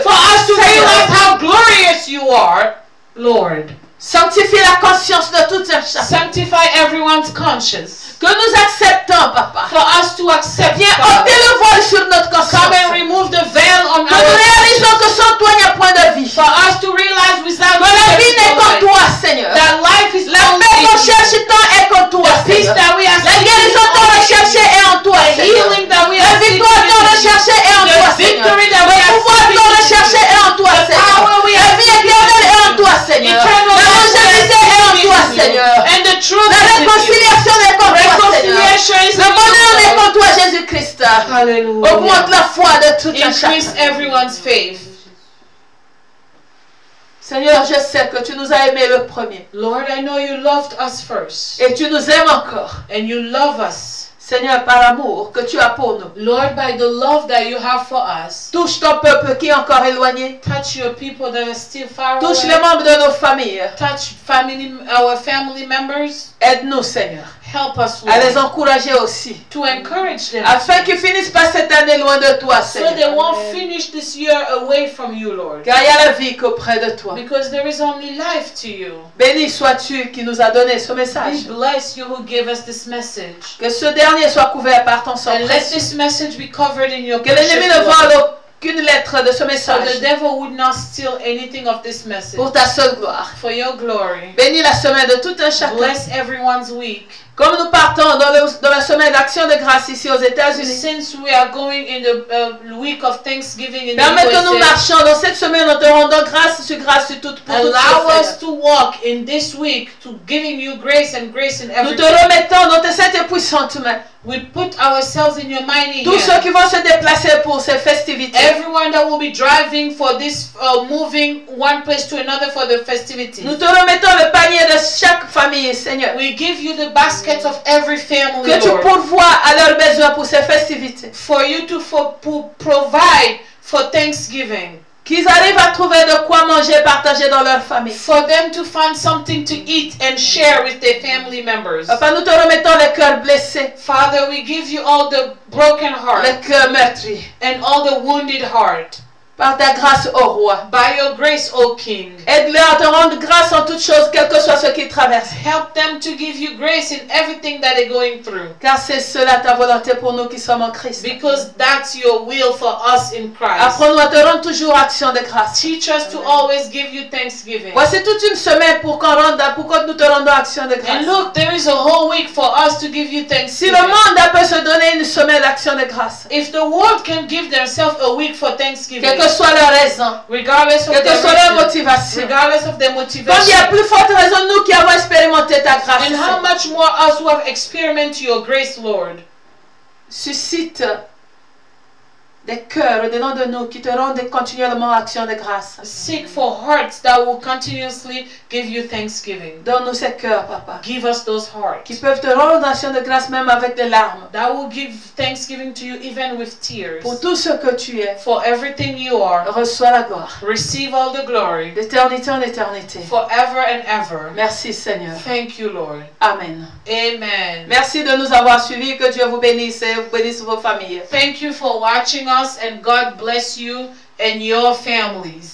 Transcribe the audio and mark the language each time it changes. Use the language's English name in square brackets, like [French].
[English] For us to realize how glorious you are, Lord. [French] Sanctifie la conscience de tout un chacun. [English] Sanctify everyone's conscience. [French] Que nous acceptons, Papa. [English] For us to accept. [French] Viens ôter le voile sur notre conscience. [English] Come and remove the veil on [French] que [English] our. [French] Que nous réalisons que sans toi il n'y a point de vie. [English] For us to realize without. [French] Que la vie n'est qu'en toi, Seigneur. [English] That life is [French] la paix qu'on cherche tant est qu'en toi. [English] The peace that we are seeking. [French] La guérison qu'on recherche est en toi, Seigneur. [English] The healing that we are seeking. [French] La victoire qu'on recherche est en toi, [English] Seigneur. The victory that we are seeking. [French] Le pouvoir qu'on recherche est en toi, Seigneur. La vie éternelle est en toi, Seigneur. [English] And the truth [French] la réconciliation [English] is [French] est pour toi, Seigneur. Le bonheur est pour toi, Jésus-Christ. Alléluia. Augmente la foi de tout un chacun. [English] Increase everyone's faith. [French] Seigneur, je sais que tu nous as aimés le premier. [English] Lord, I know you loved us first. [French] Et tu nous aimes encore. [English] And you love us. [French] Seigneur, par amour que tu as pour nous. [English] Lord, by the love that you have for us. [French] Touche ton peuple qui est encore éloigné. [English] Touch your people that are still far away. [French] Touche les membres de nos familles. [English] Touch family, our family members. [French] Aide-nous, Seigneur. [English] Help us, [French] Lord. À les encourager aussi. [English] To encourage them. [French] Afin qu'ils finissent pas cette année loin de toi, Seigneur. [English] So they won't finish this year away from you, Lord. [French] Car il y a la vie qu'auprès de toi. [English] Because there is only life to you. [French] Béni sois-tu qui nous a donné ce message. [English] Be blessed you who gave us this message. [French] Que ce dernier soit couvert par ton sang. [English] And let this message be covered in your [French] que l'ennemi ne vole aucune lettre de ce message. [English] So the devil would not steal anything of this message. [French] Pour ta seule gloire. [English] For your glory. [French] Béni la semaine de tout un chacun. [English] Bless everyone's week. [French] Comme nous partons dans la semaine d'action de grâce ici aux États-Unis. [English] Since we are going in the week of Thanksgiving in [French] permet que nous marchions dans cette semaine en te rendant grâce sur grâce sur toute pour toutes. [English] Allow us to walk in this week to giving you grace and grace in everything. [French] Nous te remettons dans tes saintes et puissantes mains. [English] We put ourselves in your mighty hands. [French] Tous ceux qui vont se déplacer pour ces festivités. [English] Everyone that will be driving for this moving one place to another for the festivities. [French] Nous te remettons le panier de chaque famille, Seigneur. [English] We give you the baskets of every family. [French] Que [English] Lord. [French] Tu pourvoies à leurs besoins pour ces festivités. [English] For you to provide for Thanksgiving. [French] Qu'ils arrivent à trouver de quoi manger et partager dans leur famille. [English] For them to find something to eat and share with their family members. [French] Papa, nous te remettons les cœurs blessés. [English] Father, we give you all the broken hearts. [French] Les cœurs meurtris. [English] And all the wounded hearts. [French] Par ta grâce, ô roi. [English] By your grace, ô king. [French] Aide-les à te rendre grâce en toutes choses, quel que soit ce qu'ils traversent. [English] Help them to give you grace in everything that they're going through. [French] Car c'est cela ta volonté pour nous qui sommes en Christ. [English] Because that's your will for us in Christ. [French] Apprends-nous à te rendre toujours action de grâce. [English] Teach us to always give you thanksgiving. [French] Voici toute une semaine pour que nous te rendons action de grâce. [English] And look, there is a whole week for us to give you thanksgiving. [French] Si le monde peut se donner une semaine d'action de grâce. [English] If the world can give themselves a week for thanksgiving. [French] Que soit la raison, que soit la motivation, [English] regardless of [French] il y a plus forte raison nous qui avons expérimenté ta grâce. [English] And how much more us who have experimented your grace, Lord. [French] Suscite des cœurs au-dedans de nous qui te rendent continuellement action de grâce. [English] Seek for hearts that will continuously give you thanksgiving. [French] Donne-nous ces cœurs, Papa. [English] Give us those hearts. [French] Qui peuvent te rendre action de grâce même avec des larmes. [English] That will give thanksgiving to you even with tears. [French] Pour tout ce que tu es. [English] For everything you are. [French] Reçois la gloire. [English] Receive all the glory. [French] D'éternité en éternité. [English] Forever and ever. [French] Merci, Seigneur. [English] Thank you, Lord. [French] Amen. [English] Amen. [French] Merci de nous avoir suivis. Que Dieu vous bénisse et vous bénisse vos familles. [English] Thank you for watching us, and God bless you and your families.